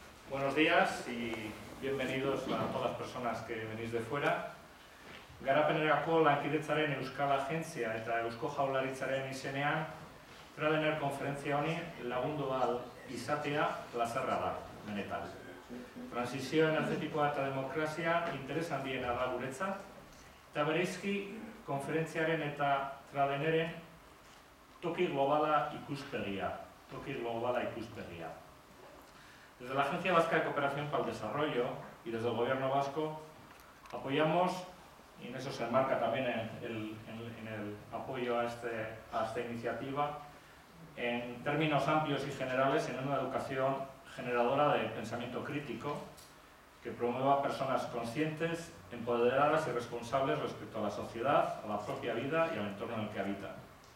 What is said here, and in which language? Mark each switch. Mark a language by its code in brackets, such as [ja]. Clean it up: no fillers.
[es] Buenos días y bienvenidos a todas las personas que venís de fuera. [eu] Garapenerako lankidetzaren Euskal Agentzia eta Eusko Jaularitzaren izenean Tradener konferentzia honi lagundu bat izatea plazerra da, benetan. Transizio energetikoa eta demokrazia interes handiena da guretzat, eta bereizki konferentziaren eta Tradeneren toki globala ikuspegia. [es] Desde la Agencia Vasca de Cooperación para el Desarrollo y desde el Gobierno Vasco apoyamos, y en eso se enmarca también en el apoyo a esta iniciativa, en términos amplios y generales, en una educación generadora de pensamiento crítico que promueva personas conscientes, empoderadas y responsables respecto a la sociedad, a la propia vida y al entorno en el que habita.